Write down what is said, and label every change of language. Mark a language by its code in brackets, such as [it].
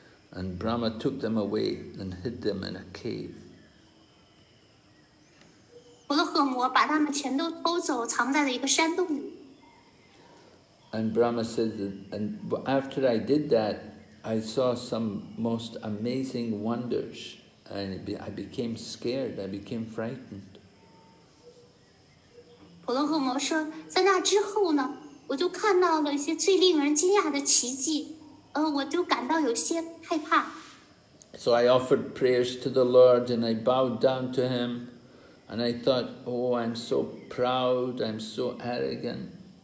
[en] And Brahma took them away and hid them in a cave. [zh] 婆罗河魔把他们全都偷走，藏在了一个山洞里。 [en] And Brahma says, and after I did that, I saw some most amazing wonders, and I became scared, I became frightened. [zh] 婆罗河魔说，在那之后呢，我就看到了一些最令人惊讶的奇迹，我就感到有些害怕。 [en] So I offered prayers to the Lord, and I bowed down to Him, and I thought, oh, I'm so proud, I'm so arrogant.